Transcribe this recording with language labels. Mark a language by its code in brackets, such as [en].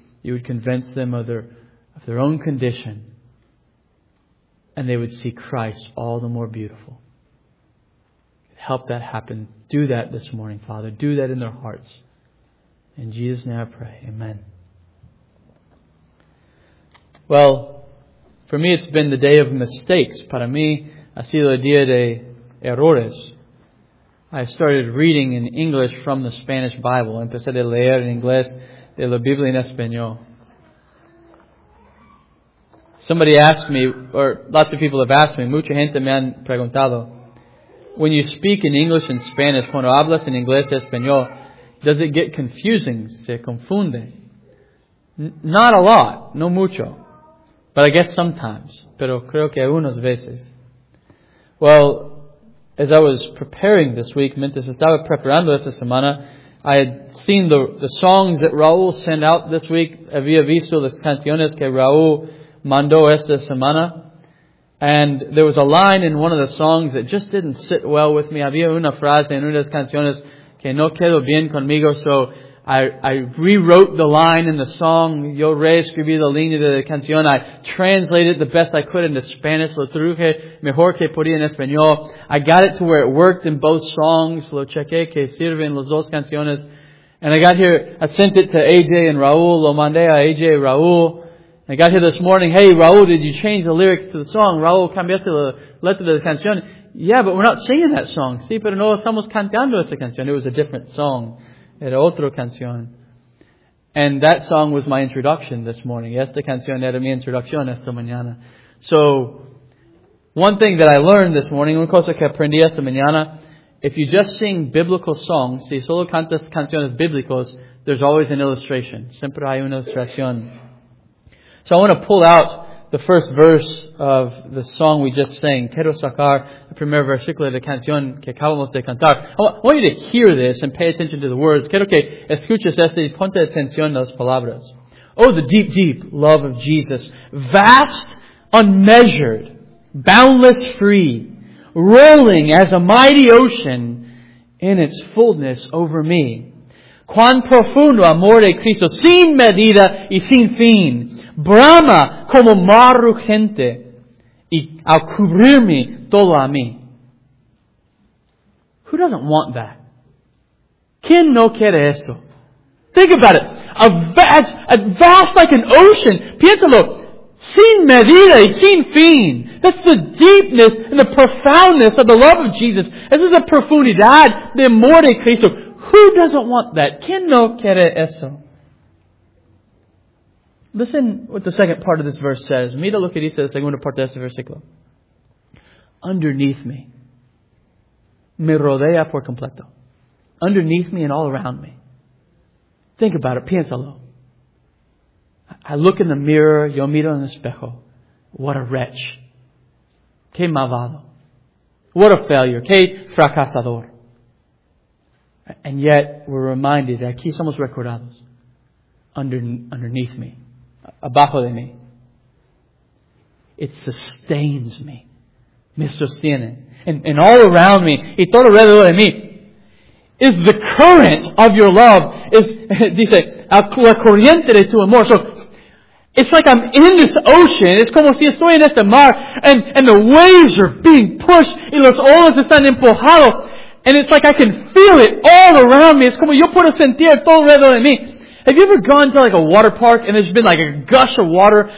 [en] You would convince them of their own condition. And they would see Christ all the more beautiful. Help that happen. Do that this morning, Father. Do that in their hearts. In Jesus' name I pray. Amen. Well, for me it's been the day of mistakes. [es] Para mí ha sido el día de errores. [en] I started reading in English from the Spanish Bible. [es] Empecé a leer en inglés de la Biblia en español. [en] Somebody asked me, or lots of people have asked me, [es] mucha gente me han preguntado, [en] when you speak in English and Spanish, [es] cuando hablas en inglés y español, [en] does it get confusing? [es] Se confunde. [en] Not a lot, [es] no mucho. [en] But I guess sometimes. [es] Pero creo que algunas veces. [en] Well, as I was preparing this week, [es] mientras estaba preparando esta semana, [en] I had seen the songs that Raúl sent out this week. [es] Había visto las canciones que Raúl mandó esta semana. [en] And there was a line in one of the songs that just didn't sit well with me. [es] Había una frase en una de las canciones que no quedó bien conmigo. [en] So I rewrote the line in the song. [es] Yo reescribí la línea de la canción. [en] I translated the best I could into Spanish. [es] Lo traduje mejor que podía en español. [en] I got it to where it worked in both songs. [es] Lo chequé que sirve en las dos canciones. [en] And I got here, I sent it to AJ and Raúl. [es] Lo mandé a AJ y Raúl. [en] I got here this morning. Hey, Raúl, did you change the lyrics to the song? [es] Raúl, ¿cambiaste la letra de la canción? [en] Yeah, but we're not singing that song. [es] Sí, pero no estamos cantando esta canción. [en] It was a different song. [es] Era otra canción. [en] And that song was my introduction this morning. [es] Esta canción era mi introducción esta mañana. [en] So, one thing that I learned this morning, [es] una cosa que aprendí esta mañana, [en] if you just sing biblical songs, [es] si solo cantas canciones bíblicas, [en] there's always an illustration. [es] Siempre hay una ilustración. [en] So I want to pull out the first verse of the song we just sang. [es] Quiero sacar el primer versículo de la canción que acabamos de cantar. [en] I want you to hear this and pay attention to the words. [es] Quiero que escuches esto y ponte atención a las palabras. [en] Oh, the deep, deep love of Jesus. Vast, unmeasured, boundless, free, rolling as a mighty ocean in its fullness over me. [es] Cuán profundo amor de Cristo, sin medida y sin fin. Brahma como mar rugente y al cubrirme todo a mí. [en] Who doesn't want that? [es] ¿Quién no quiere eso? [en] Think about it. A vast like an ocean. [es] Piénsalo. Sin medida y sin fin. [en] That's the deepness and the profoundness of the love of Jesus. This is the [es] profundidad de amor de Cristo. [en] Who doesn't want that? [es] ¿Quién no quiere eso? [en] Listen what the second part of this verse says. [es] Mira lo que dice la segunda parte de este versículo. [en] Underneath me. [es] Me rodea por completo. [en] Underneath me and all around me. Think about it. [es] Piénsalo. [en] I look in the mirror. [es] Yo miro en el espejo. [en] What a wretch. [es] Qué malvado. [en] What a failure. [es] Qué fracasador. [en] And yet, we're reminded. [es] Aquí somos recordados. [en] Underneath me. [es] Abajo de mí. [en] It sustains me. [es] Me sostiene. [en] And all around me, [es] y todo alrededor de mí, [en] is the current of your love. [es] Is, dice, la corriente de tu amor. [en] So, it's like I'm in this ocean. [es] Es como si estoy en este mar. [en] And the waves are being pushed. [es] Y las olas están empujado. [en] And it's like I can feel it all around me. [es] Es como yo puedo sentir todo alrededor de mí. [en] Have you ever gone to like a water park and there's been like a gush of water?